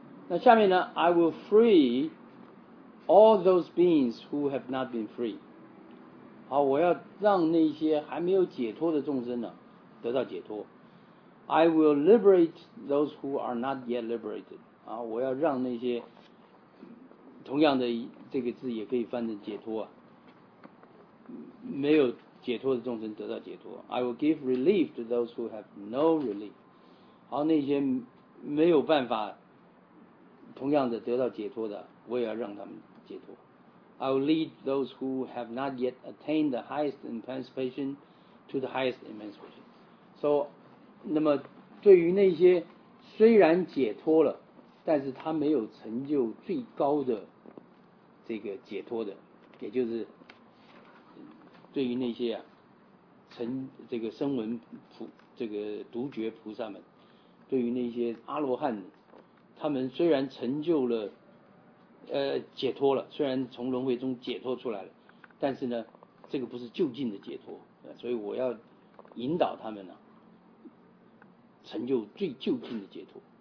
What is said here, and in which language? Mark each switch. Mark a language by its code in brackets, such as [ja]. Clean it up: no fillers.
[zh] 那下面呢 [en] I will free all those beings who have not been free. [zh] 好，我要让那些还没有解脱的众生呢得到解脱。 [en] I will liberate those who are not yet liberated. [zh] 啊，我要让那些同样的这个字也可以翻成解脱，没有解脱的众生得到解脱。 [en] I will give relief to those who have no relief， [zh] 好，那些没有办法同样的得到解脱的，我也要让他们解脱。 [en] I will lead those who have not yet attained the highest emancipation to the highest emancipation。 [zh] So， 那么对于那些虽然解脱了，但是他没有成就最高的这个解脱的，也就是对于那些啊，成这个声闻菩这个独觉菩萨们，对于那些阿罗汉，他们虽然成就了，解脱了，虽然从轮回中解脱出来了，但是呢，这个不是就近的解脱，所以我要引导他们呢、啊，成就最就近的解脱。